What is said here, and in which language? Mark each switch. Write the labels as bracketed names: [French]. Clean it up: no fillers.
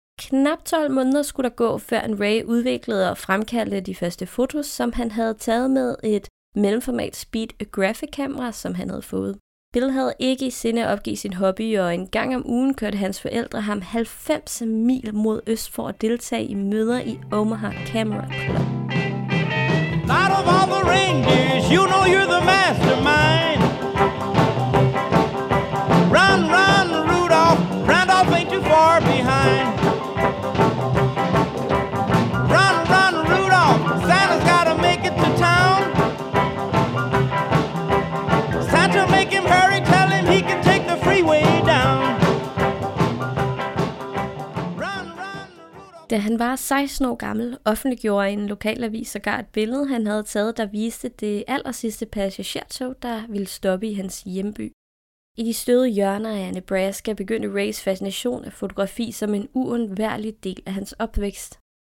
[Danish] Knap 12 måneder skulle der gå, før en Ray udviklede og fremkaldte de første fotos, som han havde taget med et mellemformat Speed Graphic-kamera, som han havde fået. Bill havde ikke i sinde opgivet sin hobby, og en gang om ugen kørte hans forældre ham 90 mil mod øst for at deltage i møder i Omaha Camera Club. [English] Out of all the reindeers, you know you're the mastermind. Run, run, Rudolph, Randolph ain't too far behind. Run, run, Rudolph, Santa's gotta make it to town. Santa, make him hurry, tell him he can take the freeway down. Run, run, Rudolph. [Danish] Da han var 16 år gammel, offentliggjorde en lokalavis sågar et billede, han havde taget, der viste det allersidste passagertog, der ville stoppe i hans hjemby. I de støde hjørner af Nebraska begyndte Rays fascination af fotografi som en uundværlig del af hans opvækst.